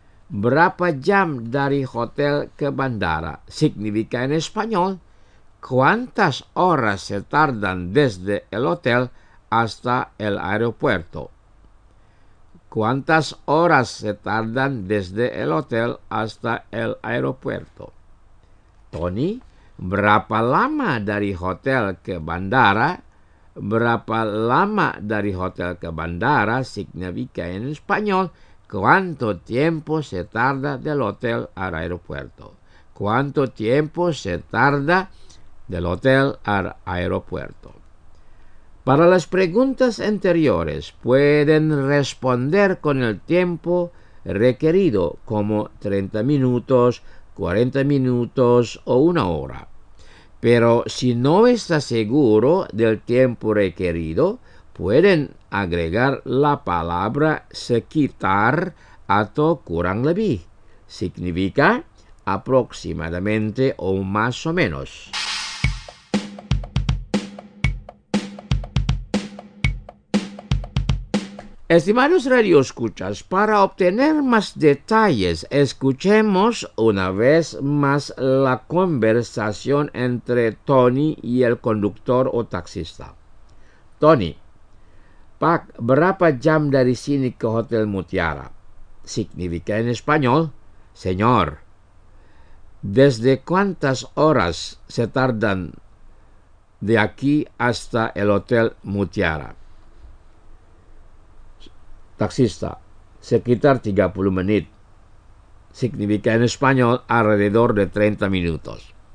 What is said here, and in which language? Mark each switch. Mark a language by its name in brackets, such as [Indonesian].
[Indonesian] ¿Berapa jam dari hotel ke bandara? [Spanish] Significa en español, ¿cuántas horas se tardan desde el hotel hasta el aeropuerto? ¿Cuántas horas se tardan desde el hotel hasta el aeropuerto? [Indonesian] Tony, ¿berapa lama dari hotel ke bandara? ¿Berapa lama dari hotel ke bandara? [Spanish] Significa en español, ¿cuánto tiempo se tarda del hotel al aeropuerto? ¿Cuánto tiempo se tarda del hotel al aeropuerto? Para las preguntas anteriores, pueden responder con el tiempo requerido, como 30 minutos, 40 minutos o una hora. Pero si no está seguro del tiempo requerido, pueden agregar la palabra se quitar a to kurang lebih. Significa aproximadamente o más o menos. Estimados radioescuchas, para obtener más detalles, escuchemos una vez más la conversación entre Tony y el conductor o taxista. [Indonesian] Tony, Pak, ¿berapa jam dari sini ke Hotel Mutiara? [Spanish] Significa en español, señor, ¿desde cuántas horas se tardan de aquí hasta el Hotel Mutiara? Taxista, [Indonesian] sekitar 30 menit. [Spanish] Significa en español, alrededor de 30 minutos.